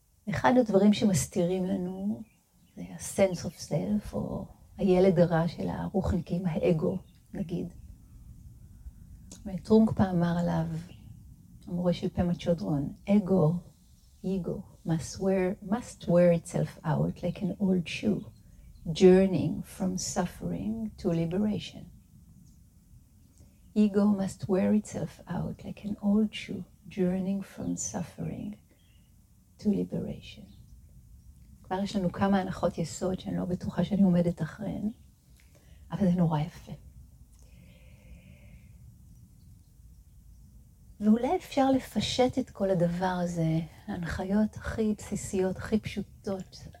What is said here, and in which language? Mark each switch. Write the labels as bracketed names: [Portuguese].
[Hebrew] אחד הדברים שמסתירים לנו זה ה-sense of self, או הילד הרע של הרוחניקים, האגו, נגיד. וטרונגפה אמר עליו, המורה של פמה צ'ודרון, אגו, [English] ego, must wear itself out like an old shoe, journeying from suffering to liberation. Ego must wear itself out like an old shoe, journeying from suffering to liberation. [Hebrew] כבר יש לנו כמה הנחות יסוד שאני לא בטוחה שאני עומדת אחריהן, אבל זה נורא יפה. ואולי אפשר לפשט את כל הדבר הזה, ההנחיות הכי בסיסיות, הכי פשוטות.